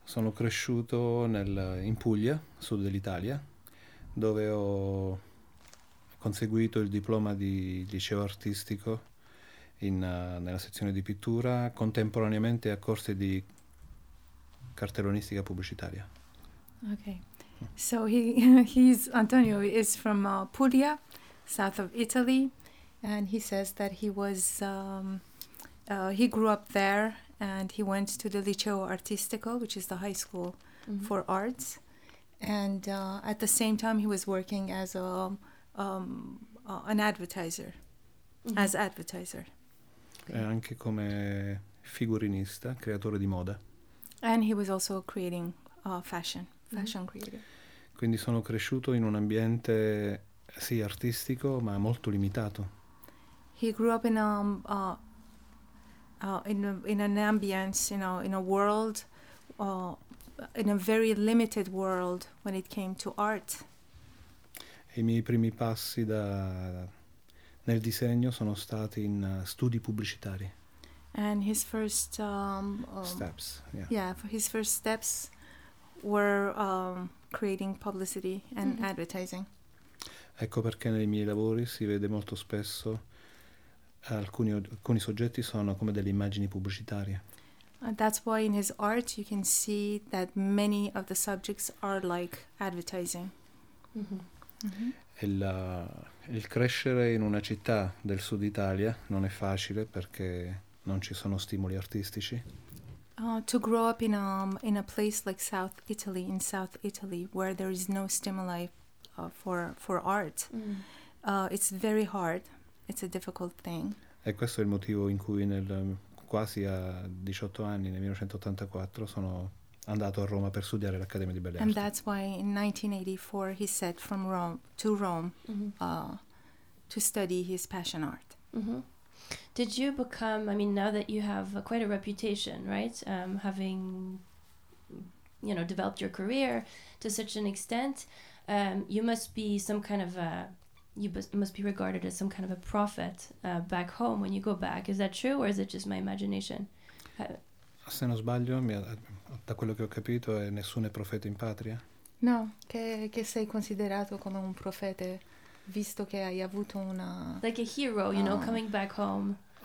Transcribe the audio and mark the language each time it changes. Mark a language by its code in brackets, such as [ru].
[it] Sono cresciuto in Puglia, sud dell'Italia, dove ho conseguito il diploma di liceo artistico nella sezione di pittura, contemporaneamente a corsi di cartellonistica pubblicitaria. Ok. [en] So he's Antonio is from Puglia, south of Italy, and he says that he was he grew up there and he went to the Liceo Artistico, which is the high school for arts, and at the same time he was working as an advertiser, as advertiser. [it] E anche come figurinista, creatore di moda. [en] And he was also creating fashion creator. [it] Quindi sono cresciuto in un ambiente, sì, artistico, ma molto limitato. [en] He grew up in an ambience, you know, in a world, in a very limited world when it came to art. [it] I miei primi passi nel disegno sono stati in studi pubblicitari. [en] And his first... steps, For his first steps were... creating publicity and advertising. [it] Ecco perché nei miei lavori si vede molto spesso alcuni soggetti sono come delle immagini pubblicitarie. [en] That's why in his art you can see that many of the subjects are like advertising. [it] Il crescere in una città del sud Italia non è facile perché non ci sono stimoli artistici. [en] To grow up in a place like South Italy, in South Italy, where there is no stimuli for art, it's very hard. It's a difficult thing. [it] E questo è il motivo in cui quasi a 18 anni, nel 1984, sono andato a Roma per studiare l'Accademia di Belle Arti. [en] And that's why in 1984 he set from Rome to Rome to study his passion art. Did you become, I mean, now that you have quite a reputation, right, having, you know, developed your career to such an extent, you must be some kind of must be regarded as some kind of a prophet back home when you go back. Is that true or is it just my imagination? [it] Se non sbaglio, da quello che ho capito, è nessun profeta in patria? No, che sei considerato come un profeta, visto che hai avuto una... [en] Like a hero, you know, coming back home.